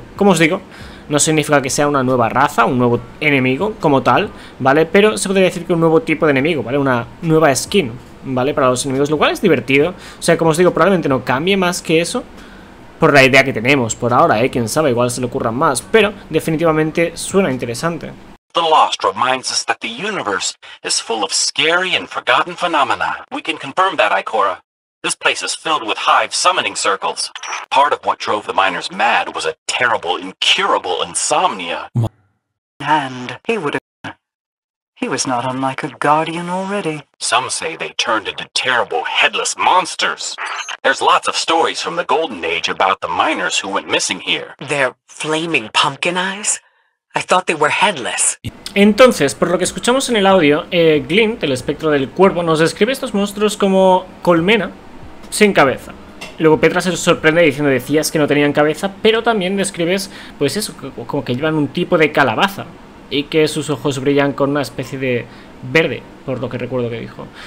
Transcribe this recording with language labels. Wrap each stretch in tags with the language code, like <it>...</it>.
<es>Como os digo, no significa que sea una nueva raza, un nuevo enemigo como tal, ¿vale? Pero se podría decir que un nuevo tipo de enemigo, ¿vale? Una nueva skin, ¿vale? Para los enemigos, lo cual es divertido. O sea, como os digo, probablemente no cambie más que eso por la idea que tenemos por ahora, ¿eh? Quién sabe, igual se le ocurran más, pero definitivamente suena interesante.</es> <en>The Lost reminds us that the universe is full of scary and forgotten phenomena. We can confirm that, Ikora. This place is filled with hive summoning circles. Part of what drove the miners mad was a terrible, incurable insomnia. And he would have... He was not unlike a guardian already. Some say they turned into terrible headless monsters. There's lots of stories from the Golden Age about the miners who went missing here. Their flaming pumpkin eyes? I thought they were headless.</en> <es>Entonces, por lo que escuchamos en el audio, Glint, el espectro del cuervo, nos describe estos monstruos como colmena sin cabeza. Luego Petra se sorprende diciendo, decías que no tenían cabeza, pero también describes, pues eso, como que llevan un tipo de calabaza y que sus ojos brillan con una especie de verde, por lo que recuerdo que dijo.</es>